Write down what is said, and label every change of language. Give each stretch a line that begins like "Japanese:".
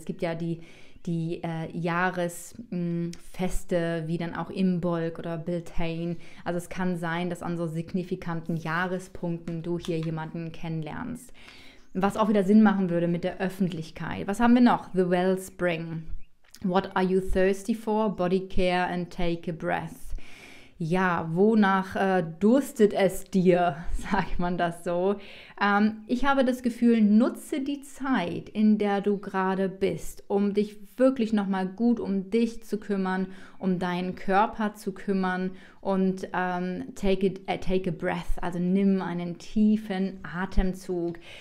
German: Es gibt ja die Jahresfeste, wie dann auch Imbolc oder Beltane. Also es kann sein, dass an so signifikanten Jahrespunkten du hier jemanden kennenlernst. Was auch wieder Sinn machen würde mit der Öffentlichkeit. Was haben wir noch? The Wellspring.
English: What are you thirsty for? Body care and take a breath.
German: Ja, wonach durstet es dir, sagt man das so. Ich habe das Gefühl, nutze die Zeit, in der du gerade bist, um dich wirklich nochmal gut um dich zu kümmern, um deinen Körper zu kümmern und
English: take a breath,
German: also nimm einen tiefen Atemzug.